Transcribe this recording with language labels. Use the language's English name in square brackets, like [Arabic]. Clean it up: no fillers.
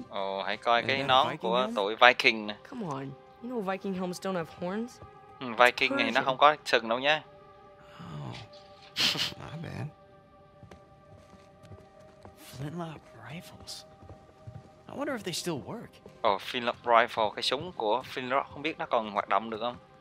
[Vietnamese] Oh, hãy coi cái nón của tụi Viking nè. [English] Come on, you know Viking helmets don't have horns. [Vietnamese] Viking thì nó không có sừng đâu nha. [English] Oh, my bad. Flintlock rifles. I wonder if they still work. [Vietnamese] Oh, flintlock rifle, cái súng của flintlock không biết nó còn hoạt động được không?